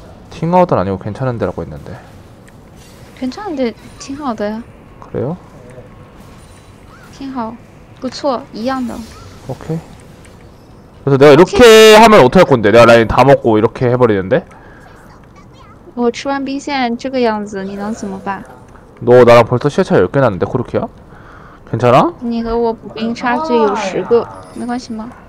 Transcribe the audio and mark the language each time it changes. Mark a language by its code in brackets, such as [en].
[ko] 팅하우든 아니고 괜찮은데라고 했는데. 괜찮은데, [zh] 挺好的呀。 [ko] 그래요? [zh] 挺好，不错，一样的。 [ko] 오케이. 그래서 내가 이렇게 하면 어떻게 할 건데? 내가 라인 다 먹고 이렇게 해버리는데? [zh] 我吃完兵线这个样子，你能怎么办？ [ko] 너 나랑 벌써 시야 차이 10개 났는데 코르키야? 괜찮아? [zh] 你和我补兵差距有十个，没关系吗？